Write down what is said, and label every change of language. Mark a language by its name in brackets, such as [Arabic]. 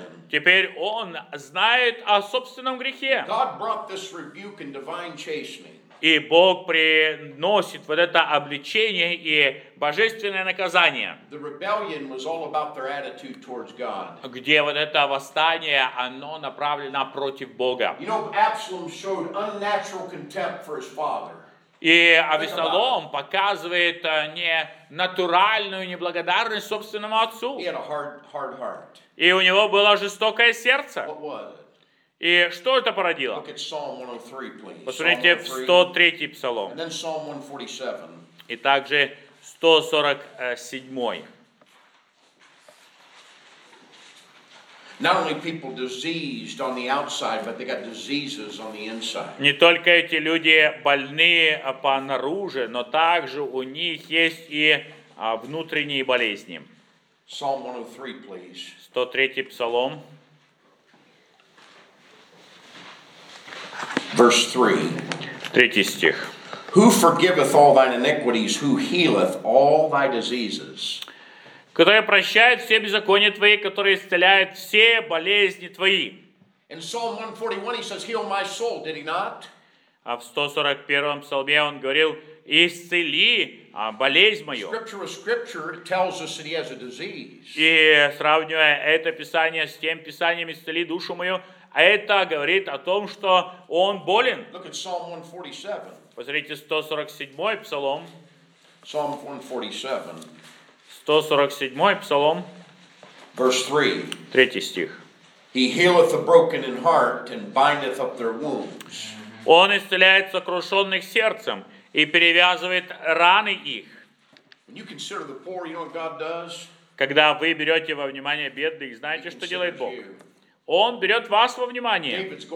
[Russian] Теперь он знает о собственном грехе. Бог принес этот ребенок и дивный чашник. И Бог приносит вот это обличение и божественное наказание. [English] The rebellion was all about their attitude towards God. [Russian] Где вот это восстание, оно направлено против Бога. [English] You know, Absalom showed unnatural contempt for his father. [Russian] И Авессалом показывает не натуральную неблагодарность собственному отцу. [English] He had a hard heart. [Russian] И у него было жестокое сердце. [English] What was it? [Russian] И что это породило? [English] Look at Psalm 103, please. [Russian] Посмотрите в 103-й псалом. [English] And then Psalm 147. [Russian] И также 147-й. [English] Not only people diseased on the outside, but they got diseases on the inside. [Russian] Не только эти люди больны по наружу, но также у них есть и внутренние болезни. [English] Psalm 103, please. [Russian] 103-й псалом. [English] Verse 3. [Russian] Третий стих. [English] Who forgiveth all thine iniquities? Who healeth all thy diseases? [Russian] Который прощает все беззакония твои, который исцеляет все болезни твои. [English] In Psalm 141 he says, heal my soul, did he not? [Russian] А в 141-м псалме он говорил, исцели болезнь мою. [English] Scripture with scripture tells us that he has a disease. [Russian] И сравнивая это писание с тем писанием, исцели душу мою, а это говорит о том, что он болен. [English] Look at Psalm 147. [Russian] Посмотрите, 147-й псалом. [English] Psalm 147. [Russian] 147-й псалом. [English] Verse 3. [Russian] Третий стих. [English] He healeth the broken in heart and bindeth up their wounds. [Russian] Он исцеляет сокрушенных сердцем и перевязывает раны их. [English] When you consider the poor, you know what God does? [Russian] Когда вы берете во внимание бедных, знаете, что делает Бог? Он берет вас во внимание.